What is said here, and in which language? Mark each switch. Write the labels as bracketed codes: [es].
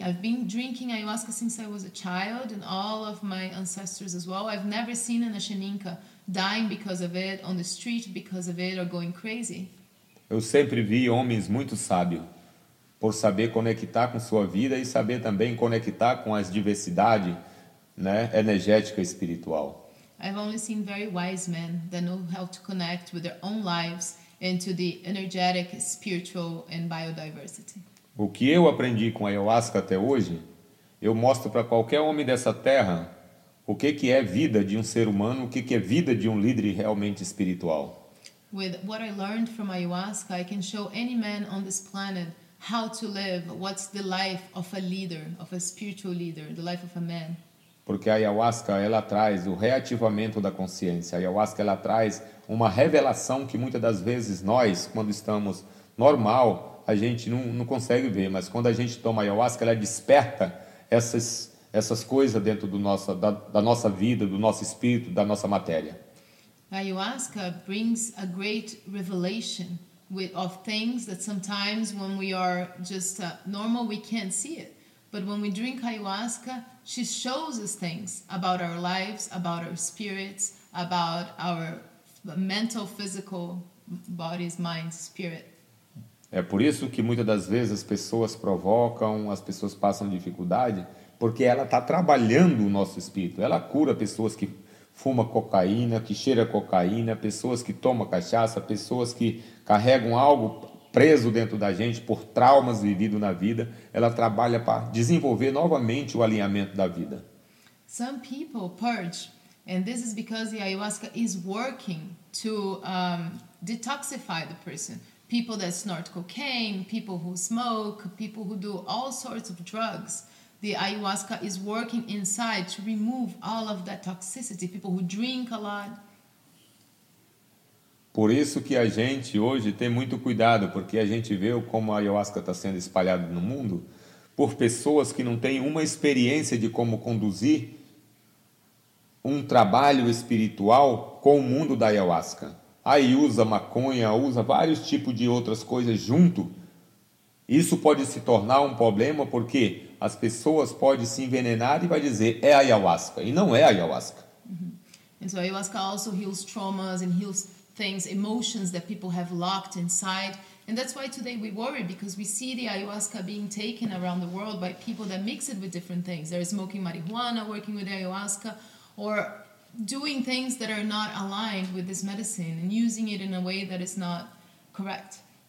[en] I've been drinking ayahuasca since I was a child and all of my ancestors as well. I've never seen a xaninca dying because of it, on the street because of it, or going crazy. [pt] Eu sempre vi homens muito sábios. Por saber conectar com sua vida e saber também conectar com as diversidades, né, energética e espiritual. [en] I've only seen very wise men that know how to connect with their own lives into the energetic, spiritual and biodiversity. [pt] O que eu aprendi com a ayahuasca até hoje, eu mostro para qualquer homem dessa terra o que é vida de um ser humano, o que é vida de um líder realmente espiritual. [en] With what I learned from ayahuasca, I can show any man on this planet how to live, what's the life of a leader, of a spiritual leader, the life of a man. [pt] Porque a ayahuasca, ela traz o reativamento da consciência. A ayahuasca, ela traz uma revelação que muitas das vezes nós, quando estamos normal, a gente não consegue ver. Mas quando a gente toma a ayahuasca, ela desperta essas coisas dentro do nosso, da nossa vida, do nosso espírito, da nossa matéria. [en] Ayahuasca brings a great revelation of things that sometimes when we are just normal, we can't see it. But when we drink ayahuasca, she shows us things about our lives, about our spirits, about our mental, physical bodies, mind, spirit. [pt] É por isso que muitas das vezes as pessoas provocam, as pessoas passam dificuldade, porque ela está trabalhando o nosso espírito. Ela cura pessoas que fuma cocaína, que cheira cocaína, pessoas que tomam cachaça, pessoas que carregam algo preso dentro da gente por traumas vividos na vida. Ela trabalha para desenvolver novamente o alinhamento da vida. [en] Some people purge, and this is because the ayahuasca is working to detoxify the person. People that snort cocaine, people who smoke, people who do all sorts of drugs. The ayahuasca is working inside to remove all of that toxicity. People who drink a lot. [pt] Por isso que a gente hoje tem muito cuidado, porque a gente vê como a ayahuasca está sendo espalhada no mundo por pessoas que não têm uma experiência de como conduzir um trabalho espiritual com o mundo da ayahuasca. Aí usa maconha, usa vários tipos de outras coisas junto. Isso pode se tornar um problema porque as pessoas podem se envenenar e vai dizer é ayahuasca e não é ayahuasca. Uhum. [en] And so ayahuasca also heals traumas and heals things, emotions that people have locked inside. And that's why today we worry because we see the ayahuasca being taken around the world by people that mix it with different things. They're smoking marijuana, working with ayahuasca, or doing things that are not aligned with this medicine and using it in a way that is not correct.